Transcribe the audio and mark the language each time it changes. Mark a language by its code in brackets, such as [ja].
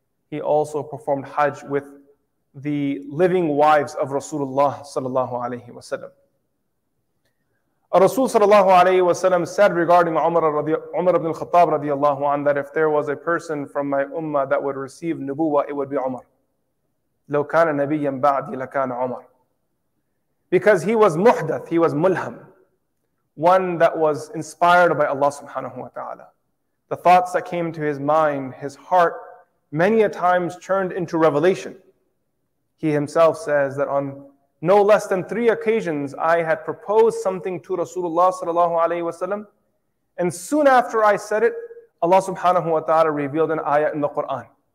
[en] he also performed Hajj with the living wives of Rasulullah sallallahu alayhi wa sallam. Rasul sallallahu alayhi wa sallam said regarding Umar ibn al-Khattab radiallahu anhu that if there was a person from my ummah that would receive nubuwa, it would be Umar. [ar] لو كان نبيا بعدي لكان عمر. [en] Because he was muhdath, he was mulham, one that was inspired by Allah subhanahu wa ta'ala. The thoughts that came to his mind, his heart, many a times turned into revelation. He himself says that on no less than three occasions, I had proposed something to Rasulullah sallallahu alayhi wa sallam, and soon after I said it, Allah subhanahu wa ta'ala revealed an ayah in the Quran.